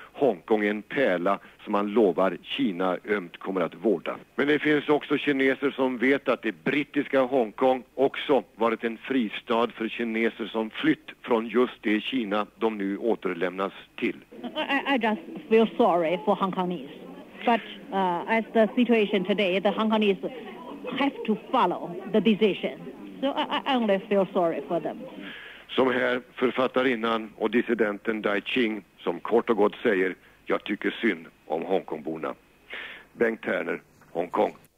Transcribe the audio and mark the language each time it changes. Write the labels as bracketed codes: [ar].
[sv] Hongkong är en pärla som man lovar Kina ömt kommer att vårda. Men det finns också kineser som vet att det brittiska Hongkong också varit en fristad för kineser som flytt från just det Kina de nu återlämnas till. [en] I just feel sorry for Hongkongese. But as the situation today, the Hongkongese have to follow the decision. So I only feel sorry for them. [sv] Som här författarinnan och dissidenten Dai Qing som kort och gott säger, jag tycker synd om Hongkongborna. Bengt Terner, Hongkong.